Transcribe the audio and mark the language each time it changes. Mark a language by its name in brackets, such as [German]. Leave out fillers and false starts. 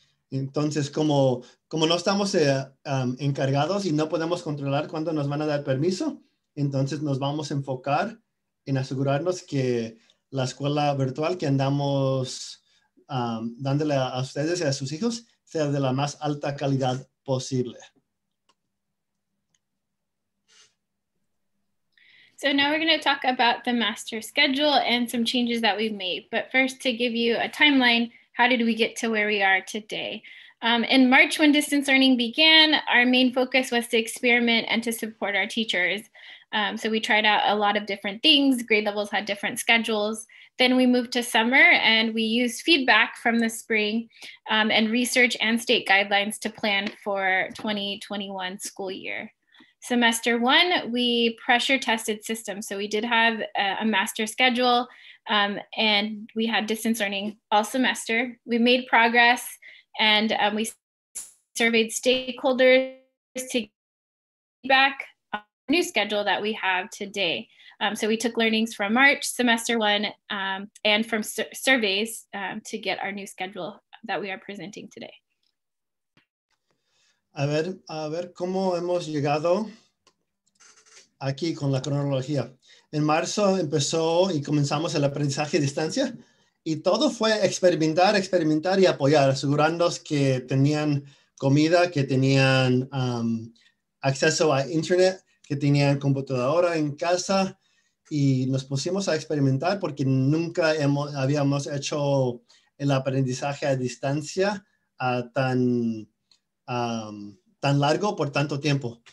[Spanish] Entonces, como no estamos encargados y no podemos controlar cuándo nos van a dar permiso, entonces nos vamos a enfocar en asegurarnos que la escuela virtual que andamos dándole a ustedes y a sus hijos sea de la más alta calidad posible. [English] So now we're going to talk about the master schedule and some changes that we've made. But first, to give you a timeline, how did we get to where we are today? In March, when distance learning began, our main focus was to experiment and to support our teachers. So we tried out a lot of different things. Grade levels had different schedules. Then we moved to summer and we used feedback from the spring and research and state guidelines to plan for 2021 school year. Semester one, we pressure tested systems. So we did have a master schedule and we had distance learning all semester. We made progress and we surveyed stakeholders to get back on the new schedule that we have today. So we took learnings from March semester one and from surveys to get our new schedule that we are presenting today. [Spanish] A ver cómo hemos llegado aquí con la cronología. En marzo empezó y comenzamos el aprendizaje a distancia y todo fue experimentar y apoyar, asegurándonos que tenían comida, que tenían acceso a internet, que tenían computadora en casa y nos pusimos a experimentar porque nunca habíamos hecho el aprendizaje a distancia tan largo por tanto tiempo.